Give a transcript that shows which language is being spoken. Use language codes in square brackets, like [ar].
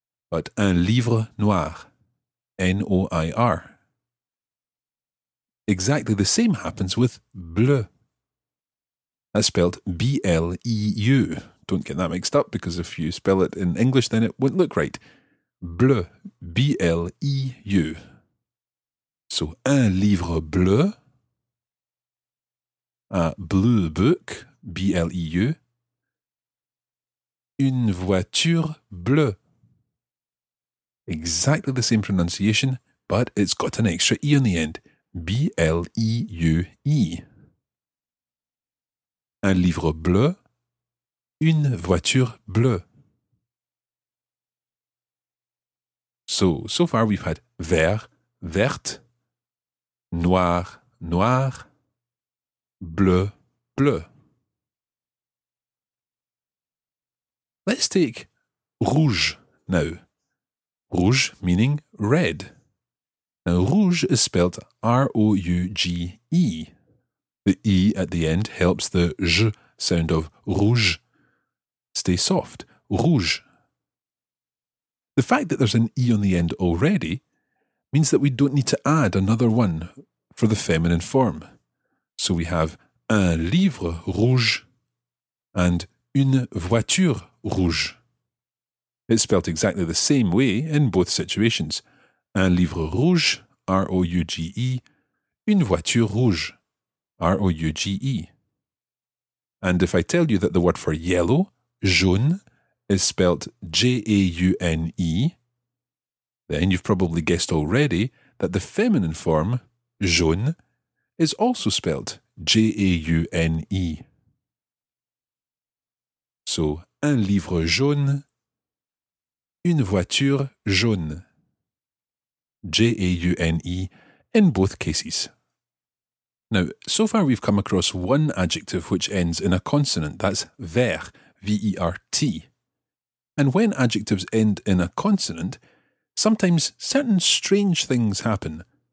[fr] But un livre noir, N-O-I-R. [en] Exactly the same happens with bleu. That's spelled B-L-E-U. Don't get that mixed up, because if you spell it in English, then it won't look right. Bleu, B-L-E-U. So, [fr] un livre bleu, [en] a blue book, B-L-E-U, [fr] une voiture bleue. [en] Exactly the same pronunciation, but it's got an extra E on the end, B-L-E-U-E. [fr] Un livre bleu, une voiture bleue. [en] So far we've had vert, verte, noir, noir, bleu, bleu. Let's take rouge now. Rouge meaning red. Now, rouge is spelt R-O-U-G-E. The E at the end helps the J sound of rouge stay soft. Rouge. The fact that there's an E on the end already means that we don't need to add another one for the feminine form. So we have [fr] un livre rouge [en] and [fr] une voiture rouge. [en] It's spelt exactly the same way in both situations. [fr] Un livre rouge, R-O-U-G-E, une voiture rouge, R-O-U-G-E. [en] And if I tell you that the word for yellow, jaune, is spelt J-A-U-N-E, then you've probably guessed already that the feminine form, jaune, is also spelt J-A-U-N-E. [fr] So, un livre jaune, une voiture jaune. [en] J-A-U-N-E in both cases. Now, so far we've come across one adjective which ends in a consonant. That's vert, V-E-R-T. And when adjectives end in a consonant, sometimes certain strange things happen.